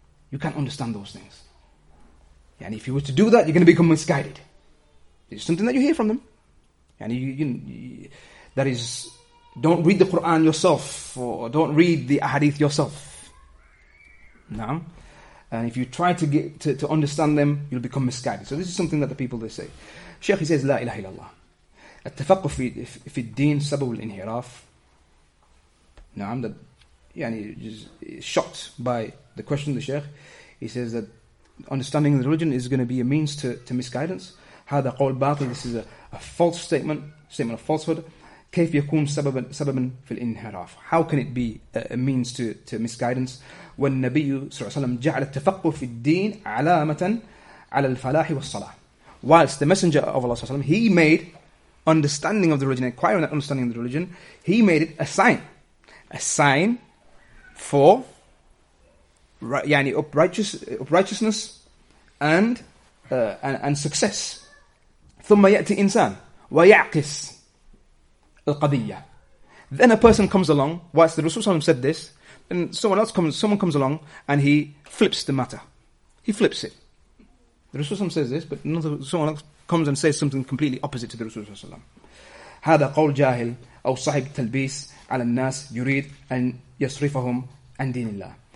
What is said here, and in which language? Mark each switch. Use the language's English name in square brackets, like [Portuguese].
[English] You can't understand those things. And if you were to do that, you're going to become misguided. It's something that you hear from them. And that is, don't read the Quran yourself, or don't read the hadith yourself. And if you try to get to understand them, you'll become misguided. So this is something that the people, they say. Sheikh, he says, La ilaha illallah. [Arabic] التفقه في الدين سبب الانحراف. [English] Shocked by the question of the Sheikh, he says that understanding the religion is going to be a means to misguidance. [Arabic] هذا قول باطل. [English] This is a false statement of falsehood. [Arabic] كيف يكون سببا في الانحراف. [English] How can it be a means to misguidance? When [Arabic] النبي صلى الله عليه وسلم جعل التفقه في الدين علامة على الفلاح والصلاة. [English] Whilst the Messenger of Allah صلى الله عليه وسلم, he made understanding of the religion, acquiring that understanding of the religion, he made it a sign for uprightness and success. [Arabic] ثم يأتي إنسان ويعكس القضية. [English] Then a person comes along, whilst the Rasul said this, and someone comes along and he flips the matter. He flips it. The Rasul says this, but someone else comes and says something completely opposite to the Rasul. [Arabic] هذا قول جاهل أو صاحب تلبيس على الناس يريد أن يصرفهم عن دين الله.